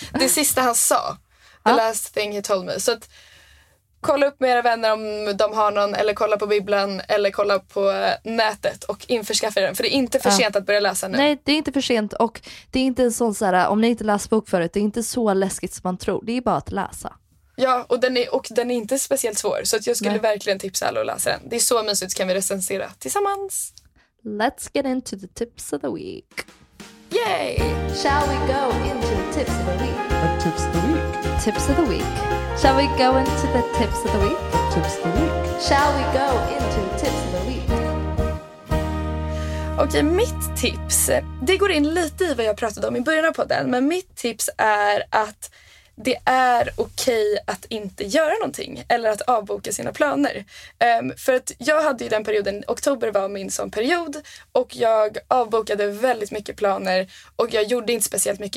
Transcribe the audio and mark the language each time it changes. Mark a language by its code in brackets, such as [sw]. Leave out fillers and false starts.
[sv] Det sista han sa, [en] the last thing he told me. [sv] Så att kolla upp med era vänner om de har någon, eller kolla på Bibeln, eller kolla på nätet och införskaffa den. För det är inte för sent att börja läsa nu. Nej, det är inte för sent. Och det är inte en sån såhär, om ni inte läst bok förut, det är inte så läskigt som man tror. Det är bara att läsa. Ja, och den är inte speciellt svår. Så att jag skulle verkligen tipsa alla att läsa den. Det är så mysigt, så kan vi recensera tillsammans. [en] Let's get into the tips of the week. Yay! Shall we go into the tips of the week? A tips of the week? Tips of the week. Shall we go into the tips of the week? Tips of the week. Shall we go into tips of the week? [sv] Okej, mitt tips. Det går in lite i vad jag pratade om i början av podden. Men mitt tips är att det är okej att inte göra någonting. Eller att avboka sina planer. För att jag hade ju den perioden, oktober var min sån period. Och jag avbokade väldigt mycket planer. Och jag gjorde inte speciellt mycket.